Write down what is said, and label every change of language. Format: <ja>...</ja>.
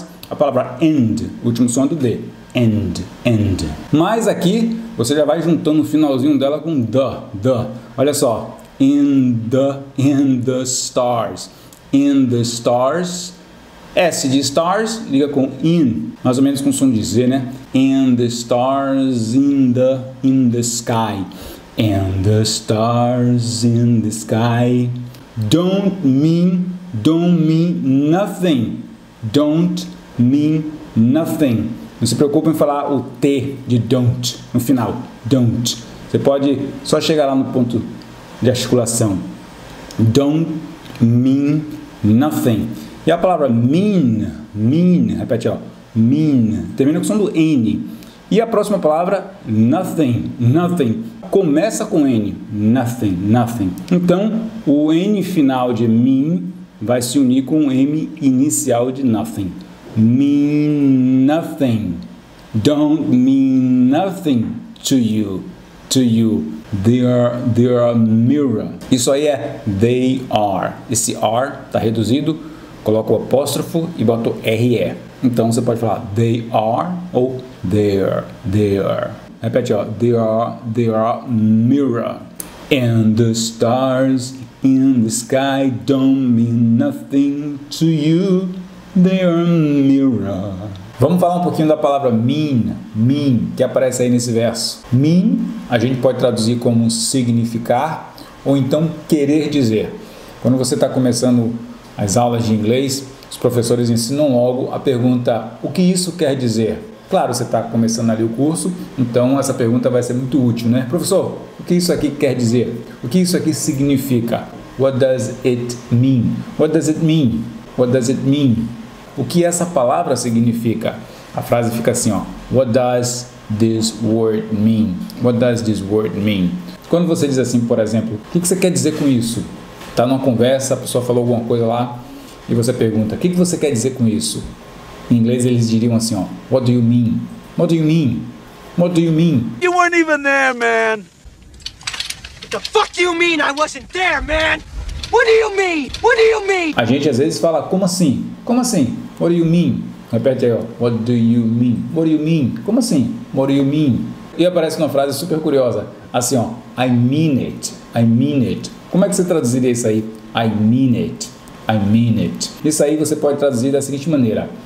<pt>a palavra end, último som do D. End. Mas aqui, você já vai juntando o finalzinho dela com the. Olha só.</pt> <en>In the stars. In the stars.</en> <pt>S de stars liga com in, mais ou menos com o som de Z, né?</pt> <en>And the stars in the sky. And the stars in the sky. Don't mean nothing. Don't mean nothing.</en> <pt>Não se preocupe em falar o T de don't no final. Don't. Você pode só chegar lá no ponto de articulação.</pt> <en>Don't mean nothing.</en> <pt>E a palavra mean, repete, ó, mean, termina com o som do N. E a próxima palavra, nothing, começa com N, nothing. Então, o N final de mean vai se unir com o M inicial de nothing.</pt> <en>Mean nothing, don't mean nothing to you. They are mirror.</en> <pt>Isso aí é</pt> <en>they are.</en> <pt>Esse are está reduzido. Coloca o apóstrofo e bota o RE. Então você pode falar</pt> <en>they are</en> <pt>ou they are. Repete, ó.</pt> <en>They are mirror. And the stars in the sky don't mean nothing to you. They are mirror.</en> <pt>Vamos falar um pouquinho da palavra mean, que aparece aí nesse verso. Mean, a gente pode traduzir como significar ou então querer dizer. Quando você está começando as aulas de inglês, os professores ensinam logo a pergunta, o que isso quer dizer? Claro, você está começando ali o curso, então essa pergunta vai ser muito útil, né? Professor, o que isso aqui quer dizer? O que isso aqui significa?</pt> <en>What does it mean? What does it mean? What does it mean?</en> <pt>O que essa palavra significa? A frase fica assim, ó.</pt> <en>What does this word mean? What does this word mean?</en> <pt>Quando você diz assim, por exemplo, o que você quer dizer com isso? Tá numa conversa, a pessoa falou alguma coisa lá e você pergunta, o que você quer dizer com isso? Em inglês eles diriam assim, ó.</pt> <en>What do you mean? What do you mean? What do you mean? You weren't even there, man! What the fuck do you mean I wasn't there, man? What do you mean? What do you mean?</en> <pt>A gente às vezes fala, como assim? Como assim?</pt> <en>What do you mean?</en> <pt>Repete aí, ó.</pt> <en>What do you mean? What do you mean? Como assim? What do you mean?</en> <pt>E aparece uma frase super curiosa. Assim, ó.</pt> <en>I mean it.</en> <pt>Como é que você traduziria isso aí?</pt> <en>I mean it.</en> <pt>Isso aí você pode traduzir da seguinte maneira.</pt>